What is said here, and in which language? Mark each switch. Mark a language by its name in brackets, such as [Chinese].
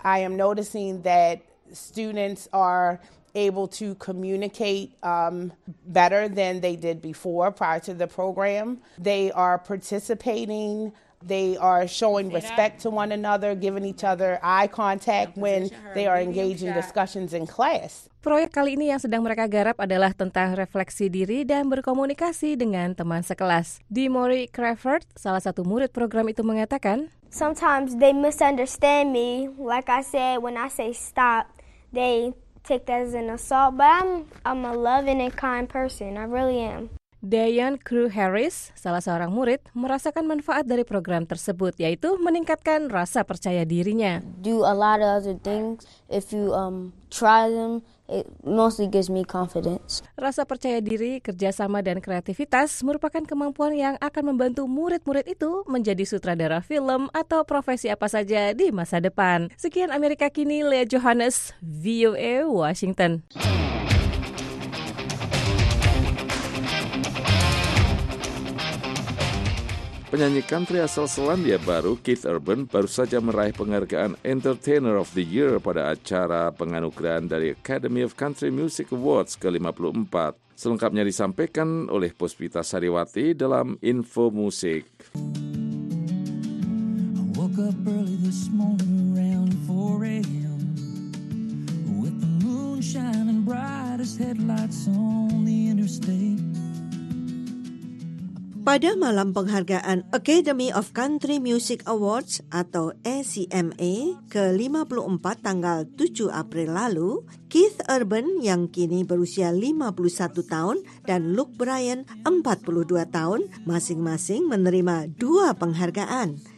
[English] I am noticing that students are able to communicate better than they did before prior to the program. They are participating, they are showing respect to one another, giving each other eye contact when they are engaged in discussions in class. [Indonesian] Proyek kali ini yang sedang mereka garap adalah tentang refleksi diri dan berkomunikasi dengan teman sekelas. Demory Crawford, salah satu murid program itu mengatakan, [English] sometimes they misunderstand me, like I said, when I say stop, they take that as an assault, but I'm a loving and kind person. I really am. [Indonesian] Dayan Crew Harris, salah seorang murid, merasakan manfaat dari program tersebut, yaitu meningkatkan rasa percaya dirinya. [English] Do a lot of other things. If you try them, it mostly gives me confidence. [Indonesian] Rasa percaya diri, kerjasama, dan kreativitas merupakan kemampuan yang akan membantu murid-murid itu menjadi sutradara film atau profesi apa saja di masa depan. Sekian Amerika Kini, Lea Johannes, VOA Washington. Penyanyi country asal Selandia Baru, Keith Urban, baru saja meraih penghargaan Entertainer of the Year pada acara penganugerahan dari Academy of Country Music Awards ke-54. Selengkapnya disampaikan oleh Puspita Sariwati dalam Info Musik. [English] I woke up early this morning around 4 a.m. With the moon shining bright as headlights on the interstate. [Indonesian] Pada malam penghargaan Academy of Country Music Awards atau ACMA ke-54 tanggal 7 April lalu, Keith Urban yang kini berusia 51 tahun dan Luke Bryan 42 tahun masing-masing menerima dua penghargaan.